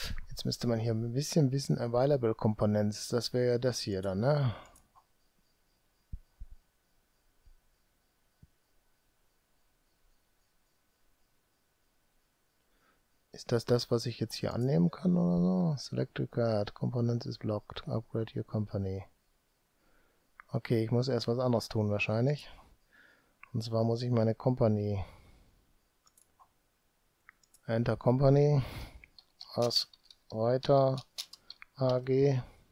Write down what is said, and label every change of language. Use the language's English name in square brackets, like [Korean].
[German] Jetzt müsste man hier ein bisschen wissen, Available Components, das wäre ja das hier dann, ne? Ist das das, was ich jetzt hier annehmen kann oder so? [English] Select required, Components is blocked, upgrade your company. [German] Okay, ich muss erst was anderes tun wahrscheinlich. Und zwar muss ich meine Company, Enter Company, aus Reuter AG.